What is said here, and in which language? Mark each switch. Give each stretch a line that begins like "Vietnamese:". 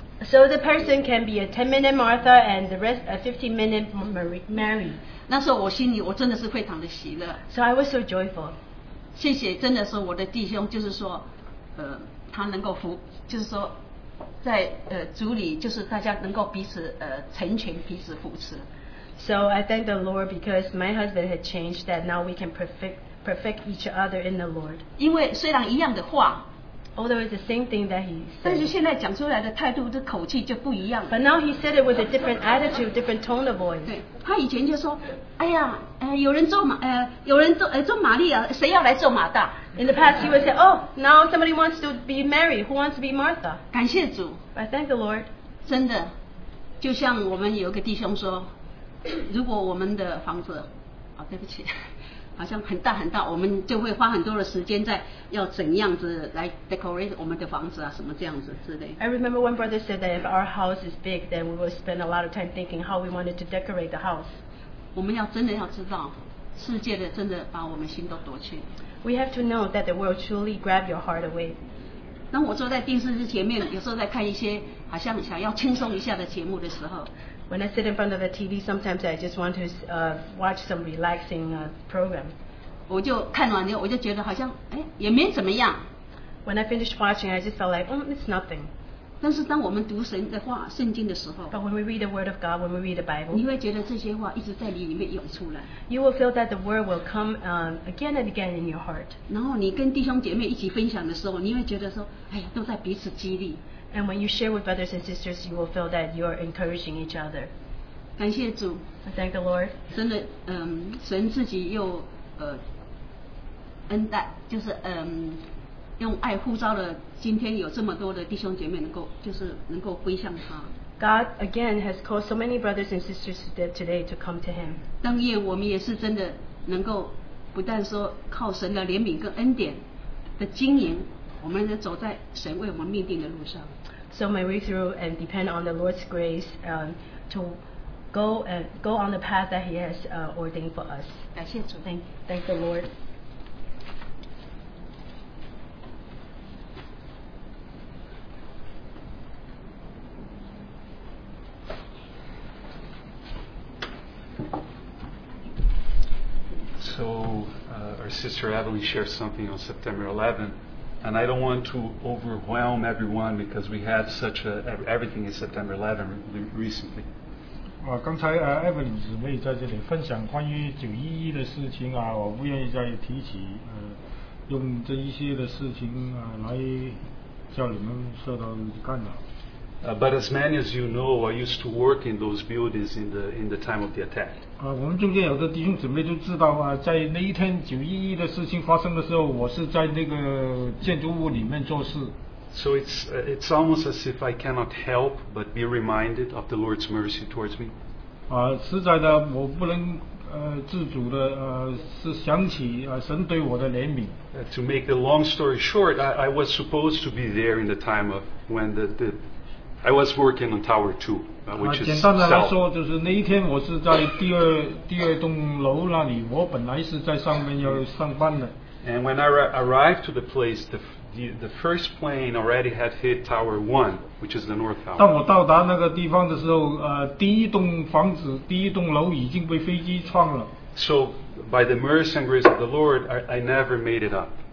English: So the person can be a 10-minute Martha and the rest a 15-minute Mary.
Chinese: 那时候我心里我真的是非常的喜乐。
English: So I was so joyful.
Chinese: 谢谢，真的是我的弟兄，就是说，他能够服，就是说，在主里，就是大家能够彼此成全，彼此扶持。
English: So I thank the Lord because my husband had changed that now we can perfect each other in the Lord.
Chinese: 因为虽然一样的话。
English: Although it's the same thing that he said.
Chinese: 但是现在讲出来的态度这口气就不一样。
English: But now he said it with a different attitude, different tone of voice.
Chinese: 对，他以前就说，哎呀，有人做玛利亚，谁要来做马大
English: ？In the past, he would say, "Oh, now somebody wants to be Mary. Who wants to be Martha?"
Chinese: 感谢主。
English: I thank the Lord.
Chinese: 真的，就像我们有个弟兄说，如果我们的房子，啊，对不起，好像很大很大，我们就会花很多的时间在要怎样子来 decorate 我们的房子啊，什么这样子之类。
English: I remember one brother said that if our house is big, then we will spend a lot of time thinking how we wanted to decorate the house.
Chinese: 我们要真的要知道，世界的真的把我们心都夺去。
English: We have to know that the world truly grabbed your heart away.
Chinese: 当我坐在电视机前面，有时候在看一些好像想要轻松一下的节目的时候。
English: When I sit in front of the TV, sometimes I just want to watch some relaxing program.
Chinese: 我就看完了，我就觉得好像哎也没怎么样。
English: When I finished watching, I just felt like, oh, it's nothing.
Chinese: 但是当我们读神的话，圣经的时候
English: ，But when we read the Word of God, when we read the Bible,
Chinese: 你会觉得这些话一直在你里面涌出来。
English: You will feel that the Word will come again and again in your heart.
Chinese: 然后你跟弟兄姐妹一起分享的时候，你会觉得说，哎呀，都在彼此激励。
English: And when you share with brothers and sisters, you will feel that you are encouraging each other.
Chinese: 感谢主。
English: I thank the Lord.
Chinese: 真的，神自己又恩待，就是用爱呼召了。今天有这么多的弟兄姐妹能够，就是能够归向他。
English: God again has called so many brothers and sisters today to come to Him.
Chinese: 当夜我们也是真的能够，不但说靠神的怜悯跟恩典的经营。我们走在神为我们命定的路上。
English: So may we through and depend on the Lord's grace to go and go on the path that He has ordained for us.
Chinese: 感谢主。
English: Thank the Lord. So our sister Abby shared something on September 11th. And I don't want to overwhelm everyone because we had such a everything is September 11 recently.
Chinese: 刚才Evelyn 姊妹在这里分享关于911的事情啊，我不愿意再提起，用这一些的事情啊来叫你们受到干扰。
English: But as many as you know, I used to work in those buildings in the time of the attack.
Chinese: 我们中间有的弟兄姊妹都知道啊，在那一天911的事情发生的时候，我是在那个建筑物里面做事。
English: So it's almost as if I cannot help but be reminded of the Lord's mercy towards me.
Chinese: 实在的，我不能自主的是想起神对我的怜悯。
English: To make the long story short, I was supposed to be there in the time of when the I was working on Tower 2, which is south.
Chinese: 简单的来说，就是那一天我是在第二栋楼那里，我本来是在上面要上班的。
English: And when I arrived to the place, the first plane already had hit Tower 1, which is the North Tower.
Chinese: 当我到达那个地方的时候，第一栋房子、第一栋楼已经被飞机撞了。
English: So by the mercy and grace of the Lord, I never made it up.